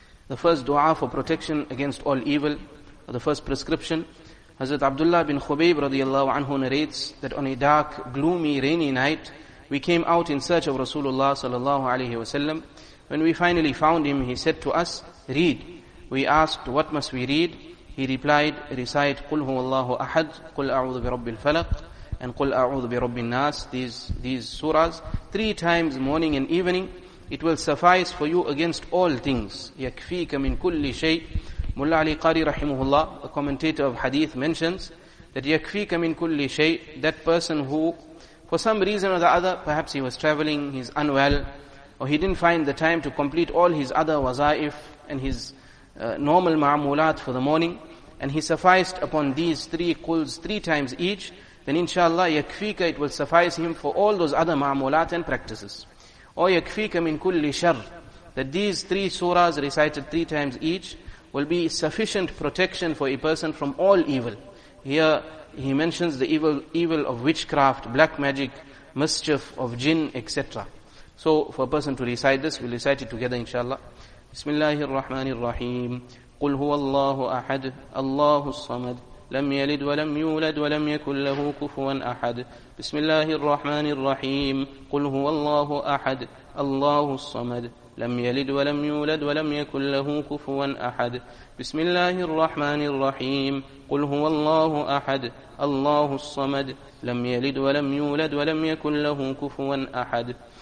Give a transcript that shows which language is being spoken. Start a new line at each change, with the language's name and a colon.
English: The first dua for protection against all evil, or the first prescription. Hazrat Abdullah bin Khubayb radiallahu anhu narrates that on a dark, gloomy, rainy night, we came out in search of Rasulullah sallallahu alayhi wa sallam. When we finally found him, he said to us, read. We asked, what must we read? He replied, recite,
Arabic: قُلْ هُوَ اللَّهُ أَحَدْ قُلْ أَعُوذُ بِرَبِّ الْفَلَقِ
English: and
Arabic: قُلْ أَعُوذُ بِرَبِّ النَّاسِ,
English: these surahs, three times morning and evening. It will suffice for you against all things.
Arabic: يَكْفِيكَ مِنْ كُلِّ شَيْءٍ.
English: Mulla Ali Qari rahimahullah, a commentator of hadith, mentions that
Arabic: يَكْفِيكَ مِنْ كُلِّ شَيْءٍ,
English: that person who, for some reason or the other, perhaps he was traveling, he's unwell, or he didn't find the time to complete all his other wazaif and his normal ma'amulat for the morning, and he sufficed upon these three quls three times each, then
Arabic: inshallah yakfika,
English: it will suffice him for all those other ma'amulat and practices. Or
Arabic: yakfika min kulli shar,
English: that these three surahs recited three times each will be sufficient protection for a person from all evil. Here he mentions the evil of witchcraft, black magic, mischief of jinn, etc. So for a person to recite this, we'll recite it together inshallah.
Arabic: بسم الله الرحمن الرحيم قل هو الله أحد الله الصمد لم يلد ولم يولد ولم يكن له كفوا أحد بسم الله الرحمن الرحيم قل هو الله أحد الله الصمد لم يلد ولم يولد ولم يكن له كفوا أحد بسم الله الرحمن الرحيم قل هو الله أحد الله الصمد لم يلد ولم يولد ولم يكن له كفوا أحد